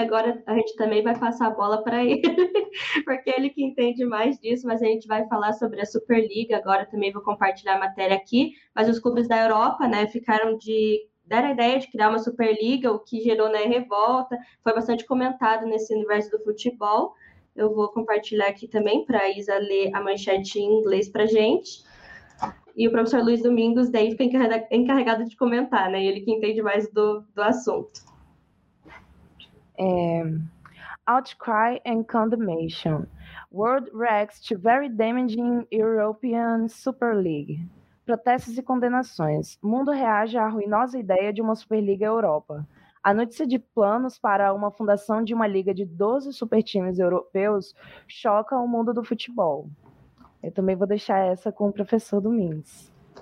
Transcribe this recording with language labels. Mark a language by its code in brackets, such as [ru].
[pt] Agora a gente também vai passar a bola para ele, porque ele que entende mais disso, mas a gente vai falar sobre a Superliga agora, também vou compartilhar a matéria aqui, mas os clubes da Europa, né, ficaram de deram a ideia de criar uma Superliga, o que gerou, né, revolta, foi bastante comentado nesse universo do futebol. Eu vou compartilhar aqui também para a Isa ler a manchete em inglês para a gente. E o professor Luiz Domingos daí fica encarregado de comentar, né? Ele que entende mais do assunto. [en] Outcry and condemnation. World reacts to very damaging European Super League. [pt] Protestos e condenações. Mundo reage à ruinosa ideia de uma Superliga Europa. A notícia de planos para uma fundação de uma liga de 12 supertimes europeus choca o mundo do futebol. Eu também vou deixar essa com o professor Domingos.